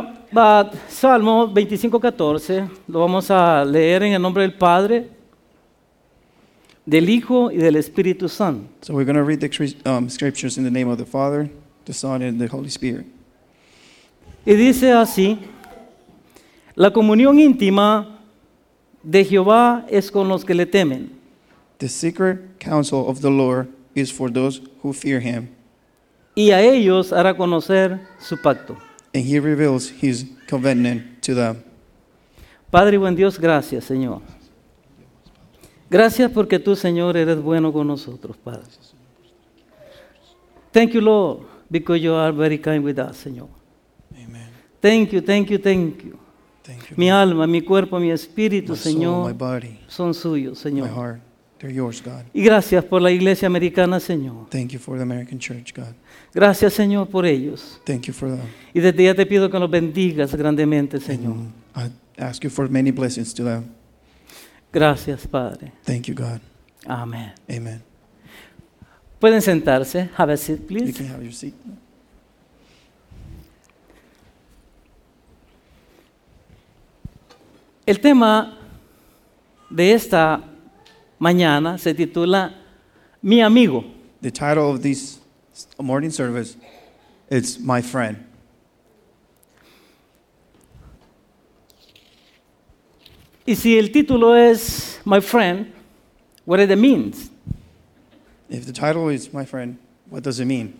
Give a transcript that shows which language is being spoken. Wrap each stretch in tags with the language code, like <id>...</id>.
<es>But Salmo 25:14 lo vamos a leer en el nombre del Padre, del Hijo y del Espíritu Santo.</es> <en>So we're going to read the scriptures in the name of the Father, the Son and the Holy Spirit.</en> <es>Y dice así: la comunión íntima de Jehová es con los que le temen.</es> <en>The secret counsel of the Lord is for those who fear him.</en> <es>Y a ellos hará conocer su pacto.</es> <en>And he reveals his covenant to them.</en> <es>Padre buen Dios, gracias, Señor. Gracias porque tú, Señor, eres bueno con nosotros, Padre.</es> <en>Thank you, Lord, because you are very kind with us, Señor. Amen. Thank you, thank you, thank you. Thank you.</en> <es>Mi alma, mi cuerpo, mi espíritu,</es> <en>my</en> <es>Señor,</es> <en>soul, my body,</en> <es>son suyos, Señor.</es> <en>My heart, they're yours, God.</en> <es>Y gracias por la iglesia americana, Señor.</es> <en>Thank you for the American church, God.</en> <es>Gracias, Señor, por ellos.</es> <en>Thank you for them.</en> <es>Y desde ya te pido que los bendigas grandemente, Señor.</es> <en>And I ask you for many blessings to them.</en> <es>Gracias, Padre.</es> <en>Thank you, God. Amen. Amen.</en> <es>Pueden sentarse.</es> <en>Have a seat, please. You can have your seat.</en> <es>El tema de esta mañana se titula Mi Amigo.</es> <en>The title of this morning service is My Friend.</en> <es>Y si el título es My Friend,</es> <en>what it means? If the title is My Friend, what does it mean?</en>